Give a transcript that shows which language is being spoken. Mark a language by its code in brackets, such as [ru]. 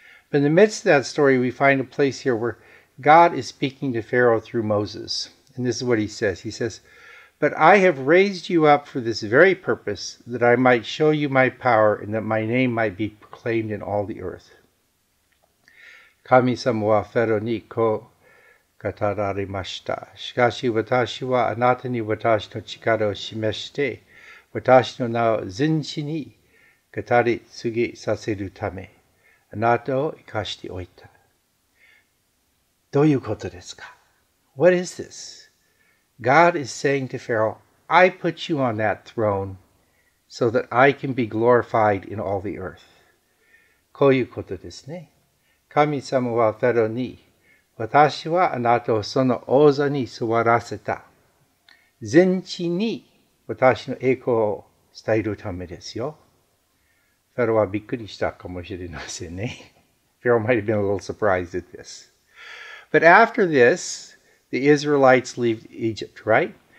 [en] But in the midst of that story, we find a place here where God is speaking to Pharaoh through Moses. And this is what he says. He says, But I have raised you up for this very purpose, that I might show you my power and that my name might be proclaimed in all the earth. [ja] 神様はファラオにこう語られました。しかし私はあなたに私の力を示して、私の名を全地に語り継ぎさせるため。あなたを生かしておいた。どういうことですか? [en] What is this? God is saying to Pharaoh, I put you on that throne so that I can be glorified in all the earth. [ja] こういうことですね。神様はファラオに、私はあなたをその王座に座らせた。全地に私の栄光を伝えるためですよ。ファラオはびっくりしたかもしれませんね。 [en] Pharaoh might have been a little surprised at this. But after this, the Israelites leave Egypt, right?